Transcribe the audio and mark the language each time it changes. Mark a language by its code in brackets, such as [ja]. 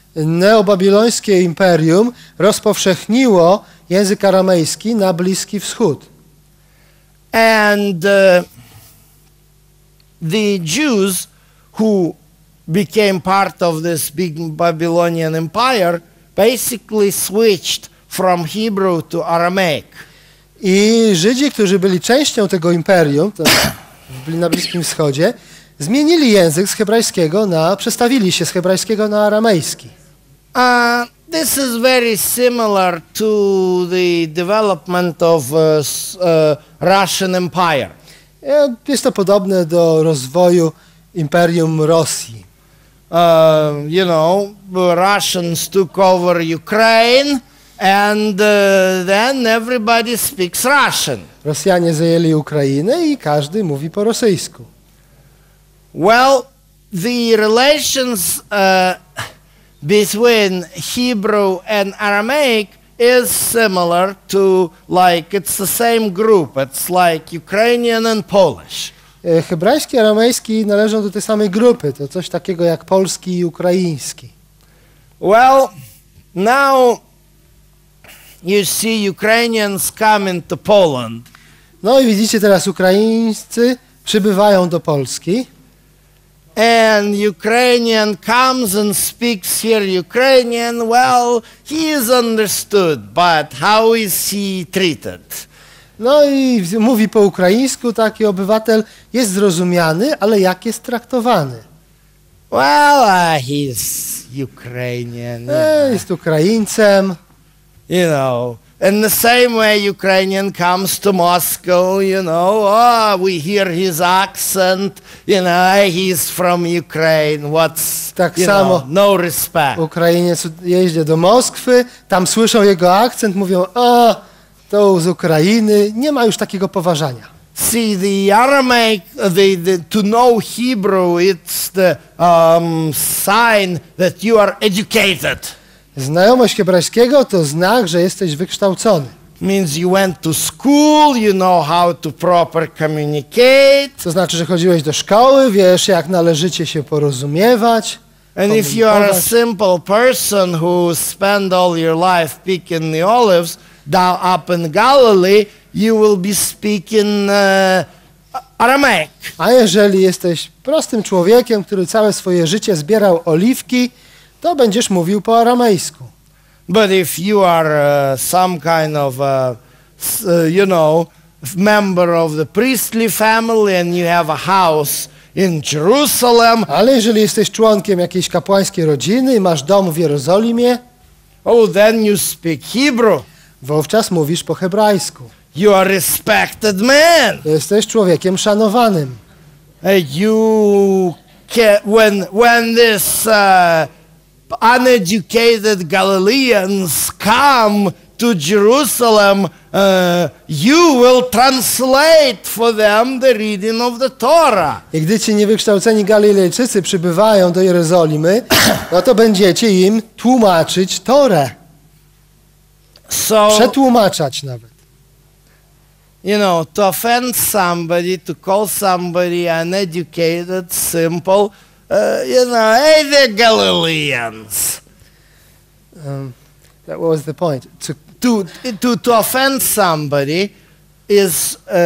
[pl] Neobabilońskie imperium rozpowszechniło język aramejski na Bliski Wschód. [en] And the Jews who became part of this big Babylonian empire basically switched from Hebrew to Aramaic. [pl] I Żydzi, którzy byli częścią tego imperium, to na Bliskim Wschodzie, zmienili język z hebrajskiego na, przestawili się z hebrajskiego na aramejski. [en] This is very similar to the development of Russian Empire. [pl] Jest to podobne do rozwoju Imperium Rosji. [en] You know, the Russians took over Ukraine and then everybody speaks Russian. [pl] Rosjanie zajęli Ukrainę i każdy mówi po rosyjsku. [en] Well, the relations between Hebrew and Aramaic is similar to, like, it's the same group. It's like Ukrainian and Polish. [pl] Hebrajski i aramejski należą do tej samej grupy. To coś takiego jak polski i ukraiński. [en] Well, now you see Ukrainians coming to Poland. [pl] No i widzicie, teraz Ukraińcy przybywają do Polski. [en] And Ukrainian comes and speaks here Ukrainian. Well, he is understood, but how is he treated? [pl] No i mówi po ukraińsku, taki obywatel jest zrozumiany, ale jak jest traktowany? [en] Well, he is Ukrainian. [pl] Jest Ukraińcem. [en] You know. In the same way Ukrainian comes to Moscow, you know, oh, we hear his accent, you know, he's from Ukraine, what's, [pl] tak [en] you [pl] samo [en] know, no respect. [pl] Ukrainiec jeździ do Moskwy, tam słyszą jego akcent, mówią, o, oh, to z Ukrainy, nie ma już takiego poważania. [en] See, the Aramaic, to know Hebrew, it's the sign that you are educated. [pl] Znajomość hebrajskiego to znak, że jesteś wykształcony. [en] Means you went to school, you know how to proper communicate. [pl] To znaczy, że chodziłeś do szkoły, wiesz, jak należycie się porozumiewać. [en] And if you are a simple person who spend all your life picking the olives down up in Galilee, you will be speaking Aramaic. [pl] A jeżeli jesteś prostym człowiekiem, który całe swoje życie zbierał oliwki, to będziesz mówił po aramejsku. [en] But if you are some kind of you know, member of the priestly family and you have a house in Jerusalem. [pl] Ale jeżeli jesteś członkiem jakiejś kapłańskiej rodziny i masz dom w Jerozolimie, [en] oh, then you speak Hebrew. [pl] Wówczas mówisz po hebrajsku. [en] You are respected man. [pl] Jesteś człowiekiem szanowanym. [en] you can, when this uneducated Galileans come to Jerusalem, you will translate for them the reading of the Torah. [pl] I gdy ci niewykształceni Galilejczycy przybywają do Jerozolimy, no to będziecie im tłumaczyć Torę. [en] So, [pl] przetłumaczać nawet. [en] You know, to offend somebody, to call somebody uneducated, simple, you know, hey, the Galileans. That was the point. To offend somebody is